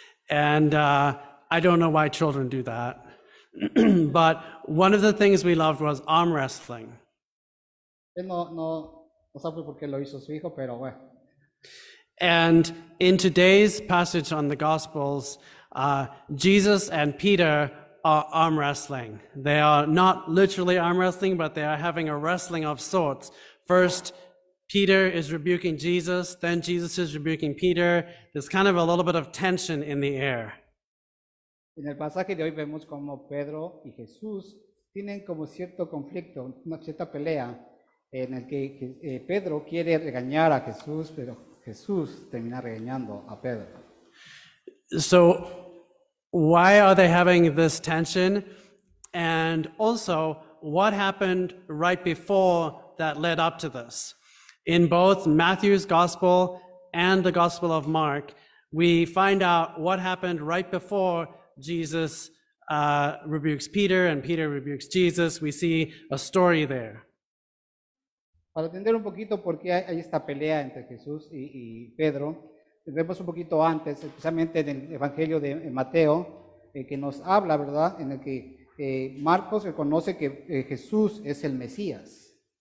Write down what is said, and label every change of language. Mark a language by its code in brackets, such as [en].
[en] And I don't know why children do that, but one of the things we loved was arm wrestling. [es] No sabe por qué lo hizo su hijo, pero bueno. [en] And in today's passage on the Gospels, Jesus and Peter are arm wrestling. They are not literally arm wrestling, but they are having a wrestling of sorts. First, Peter is rebuking Jesus, then Jesus is rebuking Peter. There's kind of a little bit of tension in the air. [es] En el pasaje de hoy vemos como Pedro y Jesús tienen como cierto conflicto, una cierta pelea, en el que Pedro quiere regañar a Jesús, pero Jesús termina regañando a Pedro. [en] So, why are they having this tension? And also, what happened right before that led up to this? In both Matthew's Gospel and the Gospel of Mark, we find out what happened right before Jesus rebukes Peter and Peter rebukes Jesus. We see a story there. [es] Para entender un poquito por qué hay esta pelea entre Jesús y Pedro, vemos un poquito antes, especialmente en el Evangelio de Mateo, que nos habla, ¿verdad?, en el que Marcos reconoce que Jesús es el Mesías.